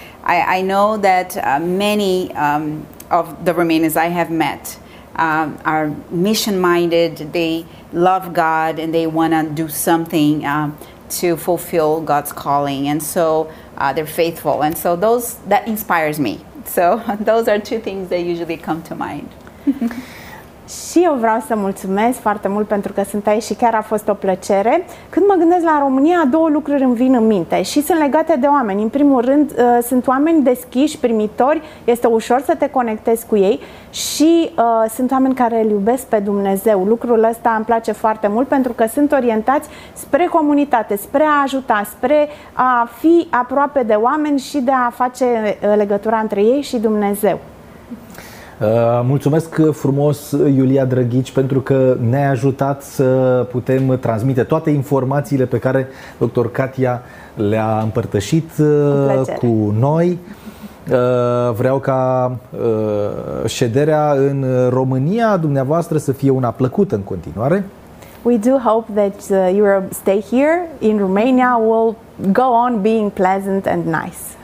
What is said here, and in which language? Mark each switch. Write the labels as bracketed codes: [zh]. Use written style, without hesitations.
[en] I know that many of the Romanians I have met are mission-minded. They love God and they want to do something to fulfill God's calling, and so they're faithful. And so those, that inspires me. So those are two things that usually come to mind. [ro] Și eu vreau să mulțumesc foarte mult pentru că sunt aici și chiar a fost o plăcere. Când mă gândesc la România, două lucruri îmi vin în minte și sunt legate de oameni. În primul rând, sunt oameni deschiși, primitori, este ușor să te conectezi cu ei și sunt oameni care îl iubesc pe Dumnezeu. Lucrul ăsta îmi place foarte mult pentru că sunt orientați spre comunitate, spre a ajuta, spre a fi aproape de oameni și de a face legătura între ei și Dumnezeu. Mulțumesc frumos, Iulia Drăghici, pentru că ne-ai ajutat să putem transmite toate informațiile pe care dr. Katia le-a împărtășit cu noi. Vreau ca șederea în România dumneavoastră să fie una plăcută în continuare. [en] We do hope that your stay here in Romania will go on being pleasant and nice.